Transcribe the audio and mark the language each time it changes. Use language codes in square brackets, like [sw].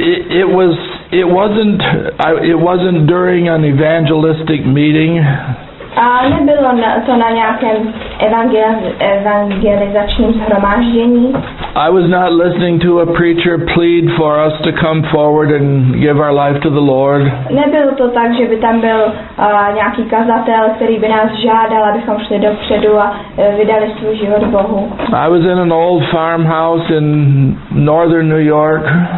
[en] And it wasn't during an evangelistic meeting. [cs] A nebylo to na nějakém evangelizačním shromáždění. [en] I was not listening to a preacher plead for us to come forward and give our life to the Lord. [cs] Nebylo to tak, že by tam byl nějaký kazatel, který by nás žádal, abychom šli dopředu a vydali svůj život Bohu. [en] I was in an old farmhouse in northern New York.